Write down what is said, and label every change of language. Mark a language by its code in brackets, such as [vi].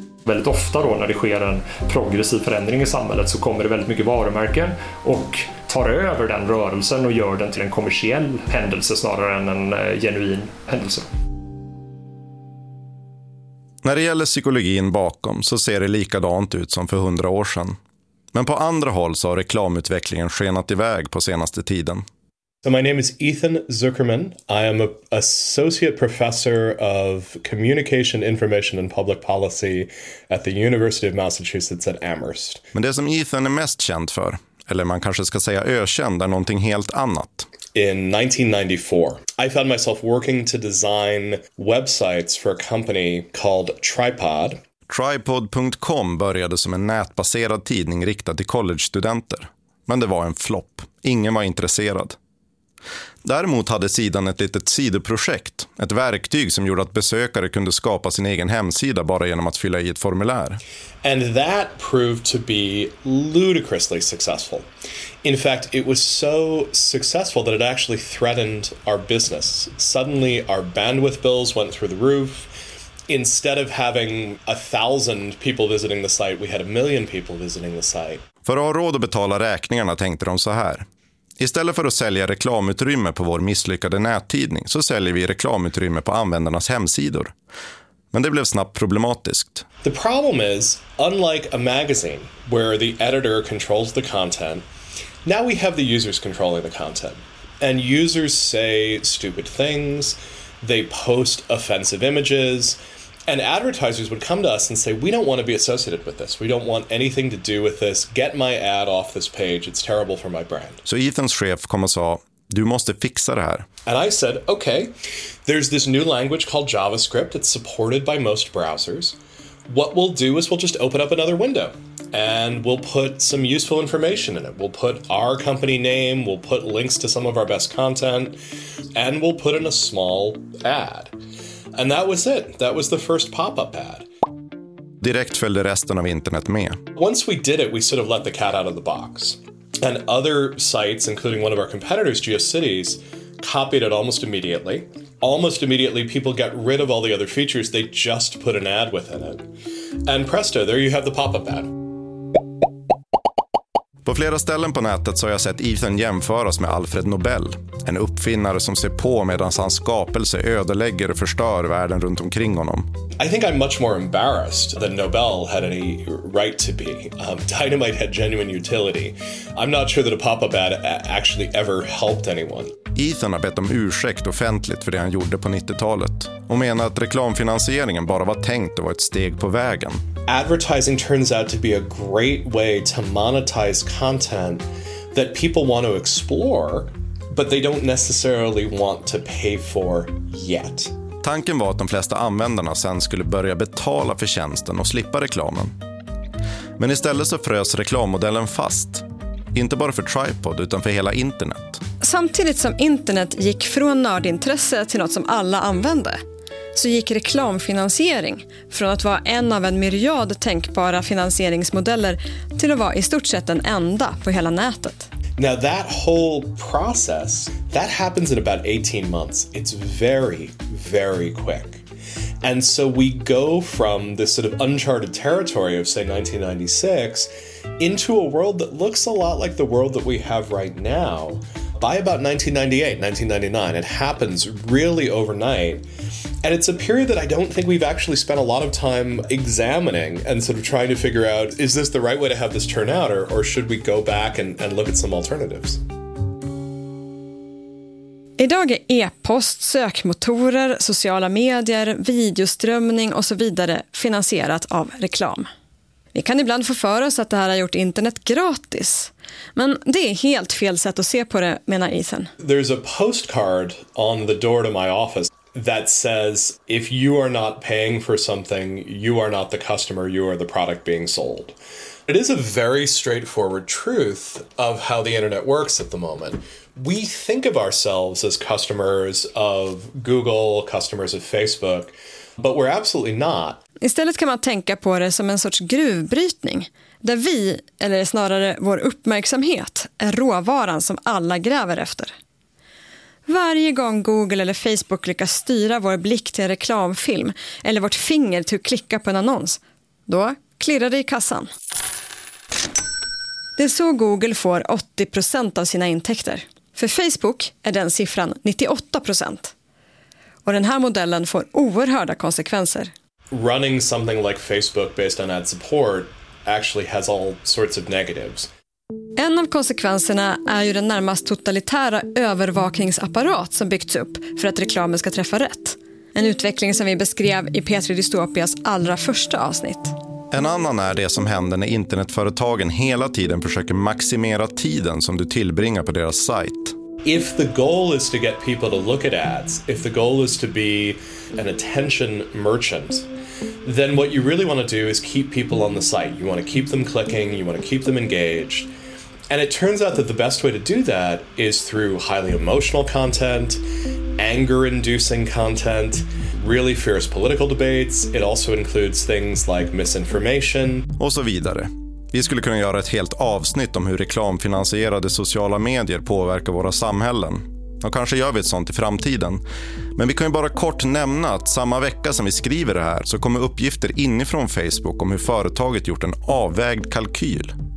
[sv] Väldigt ofta då när det sker en progressiv förändring i samhället så kommer det väldigt mycket varumärken och tar över den rörelsen och gör den till en kommersiell händelse snarare än en genuin händelse. När det gäller psykologin bakom så ser det likadant ut som för 100 år sedan. Men på andra håll så har reklamutvecklingen skenat iväg på senaste tiden. [en] So my name is Ethan Zuckerman. I am an associate professor of communication, information and public policy at the University of Massachusetts at Amherst. [sv] Men det som Ethan är mest känd för, eller man kanske ska säga ökänd, är någonting helt annat. [en] In 1994, I found myself working to design websites for a company called Tripod. [sv] Tripod.com började som en nätbaserad tidning riktad till college-studenter. Men det var en flopp. Ingen var intresserad. Däremot hade sidan ett litet sidoprojekt, ett verktyg som gjorde att besökare kunde skapa sin egen hemsida bara genom att fylla i ett formulär. [en] And that proved to be ludicrously successful. In fact, it was so successful that it actually threatened our business. Suddenly our bandwidth bills went through the roof. Instead of having 1,000 people visiting the site, we had 1,000,000 people visiting the site. [sv] För att ha råd att betala räkningarna tänkte de så här. Istället för att sälja reklamutrymme på vår misslyckade nättidning så säljer vi reklamutrymme på användarnas hemsidor. Men det blev snabbt problematiskt. [en] The problem is, unlike a magazine where the editor controls the content, now we have the users controlling the content. And users say stupid things, they post offensive images, and advertisers would come to us and say, we don't want to be associated with this. We don't want anything to do with this. Get my ad off this page. It's terrible for my brand. [sv] Så Ethans chef kom och sa, du måste fixa det här. [en] And I said, okay, there's this new language called JavaScript. It's supported by most browsers. What we'll do is we'll just open up another window and we'll put some useful information in it. We'll put our company name, we'll put links to some of our best content, and we'll put in a small ad. And that was it. That was the first pop-up ad. [sv] Direkt följde resten av internet med. [en] Once we did it, we sort of let the cat out of the box. And other sites, including one of our competitors, GeoCities, copied it almost immediately. Almost immediately, people get rid of all the other features. They just put an ad within it. And presto, there you have the pop-up ad. [sv] På flera ställen på nätet så har jag sett Ethan jämföras med Alfred Nobel. En uppfinnare som ser på medan hans skapelse ödelägger och förstör världen runt omkring honom. [en] I think I'm much more embarrassed than Nobel had any right to be. Dynamite had genuine utility. I'm not sure that a pop-up ad actually ever helped anyone. [sv] Ethan har bett om ursäkt offentligt för det han gjorde på 90-talet och menar att reklamfinansieringen bara var tänkt att vara ett steg på vägen. [en] Advertising turns out to be a great way to monetize content that people want to explore but they don't necessarily want to pay for yet. [sv] Tanken var att de flesta användarna sen skulle börja betala för tjänsten och slippa reklamen. Men istället så frös reklammodellen fast. Inte bara för Tripod utan för hela internet. Samtidigt som internet gick från nördintresse till något som alla använde så gick reklamfinansiering från att vara en av en myriad tänkbara finansieringsmodeller till att vara i stort sett den enda på hela nätet. [en] Now that whole process, that happens in about 18 months. It's very, very quick. And so we go from this sort of uncharted territory of, say, 1996 into a world that looks a lot like the world that we have right now. By about 1998, 1999, it happens really overnight. And it's a period that I don't think we've actually spent a lot of time examining and sort of trying to figure out, is this the right way to have this turn out, or should we go back and look at some alternatives? [sv] Idag är e-post, sökmotorer, sociala medier, videoströmning och så vidare finansierat av reklam. Vi kan ibland få för oss att det här har gjort internet gratis. Men det är helt fel sätt att se på det, menar Ethan. [en] There's a postcard on the door to my office that says if you are not paying for something, you are not the customer, you are the product being sold. It is a very straightforward truth of how the internet works at the moment. We think of ourselves as customers of Google, customers of Facebook, but we're absolutely not. [sv] Istället kan man tänka på det som en sorts gruvbrytning, där vi, eller snarare vår uppmärksamhet, är råvaran som alla gräver efter. Varje gång Google eller Facebook lyckas styra vår blick till en reklamfilm eller vårt finger till att klicka på en annons, Då klirrade i kassan. Det är så Google får 80% av sina intäkter. För Facebook är den siffran 98%. Och den här modellen får oerhörda konsekvenser. [en] Running something like Facebook based on ad support actually has all sorts of negatives. [sv] En av konsekvenserna är ju den närmast totalitära övervakningsapparat som byggts upp för att reklamen ska träffa rätt. En utveckling som vi beskrev i P3 Dystopias allra första avsnitt. En annan är det som händer när internetföretagen hela tiden försöker maximera tiden som du tillbringar på deras sajt. [en] If the goal is to get people to look at ads, if the goal is to be an attention merchant, then what you really want to do is keep people on the site. You want to keep them clicking, you want to keep them engaged. And it turns out that the best way to do that is through highly emotional content, anger-inducing content, really fierce political debates. It also includes things like misinformation. [sv] Och så vidare. Vi skulle kunna göra ett helt avsnitt om hur reklamfinansierade sociala medier påverkar våra samhällen. Och kanske gör vi ett sånt i framtiden. Men vi kan ju bara kort nämna att samma vecka som vi skriver det här så kommer uppgifter inifrån Facebook om hur företaget gjort en avvägd kalkyl.